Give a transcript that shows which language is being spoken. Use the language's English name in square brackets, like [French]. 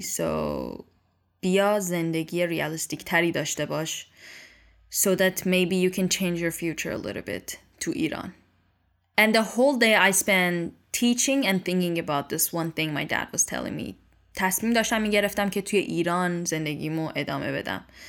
[Persian] So بیا زندگی ریالستیک تری داشته باش. [English] So that maybe you can change your future a little bit to Iran. And the whole day I spent teaching and thinking about this one thing my dad was telling me. [Persian] تصمیم داشتم میگرفتم که توی ایران زندگیمو ادامه بدم.